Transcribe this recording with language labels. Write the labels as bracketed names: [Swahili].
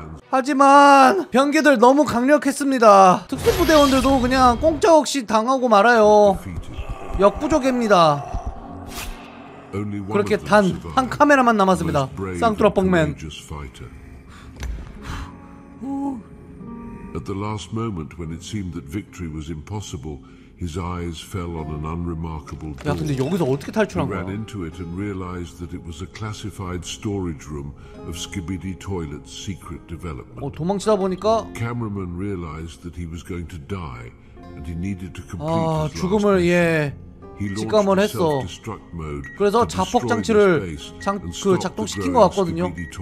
[Korean] 하지만 병기들 너무 강력했습니다. 특수부대원들도 그냥 공짜 없이 당하고 말아요. 역부족입니다. 그렇게 단 한 카메라만 남았습니다. 쌍뚜라뽕맨. [English] At the last moment when it seemed that victory was impossible, his eyes fell on an unremarkable door. [Korean] 야, 근데 여기서 어떻게 탈출한 거야? [English] He ran into it and realized that it was a classified storage room of Skibidi Toilet's secret development. [Korean] 어, 도망치다 보니까 [English] cameraman realized that he was going to die and he needed to complete. [Korean] 아, 죽음을 [English] last [Korean] 예. 직감을 했어. 그래서 자폭 장치를 작동시킨 것 같거든요.